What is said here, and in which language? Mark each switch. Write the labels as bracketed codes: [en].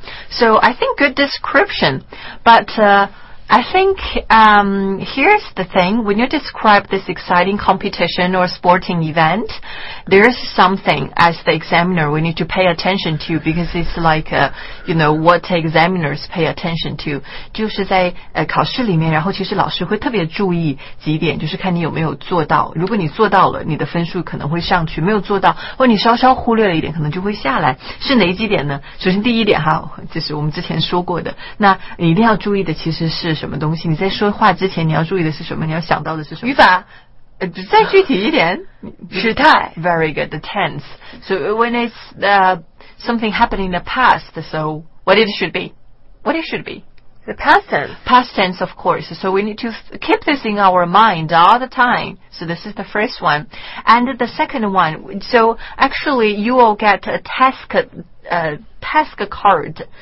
[en] So I think good description. But I think here's the thing. When you describe this exciting competition or sporting event, there's something as the examiner we need to pay attention to, because it's like, what examiners pay attention to. [zh] 就是在考试里面，然后其实老师会特别注意几点，就是看你有没有做到。如果你做到了，你的分数可能会上去；没有做到，或你稍稍忽略了一点，可能就会下来。是哪几点呢？首先第一点哈，就是我们之前说过的，那你一定要注意的其实是什么东西？你在说话之前你要注意的是什么？你要想到的是什么？语法。再具体一点，时态。 [en] Very good, the tense. So when it's something happening in the past, so what it should be? What it should be? The past tense. Past tense, of course. So we need to keep this in our mind all the time. So this is the first one. And the second one, so actually you will get a task card.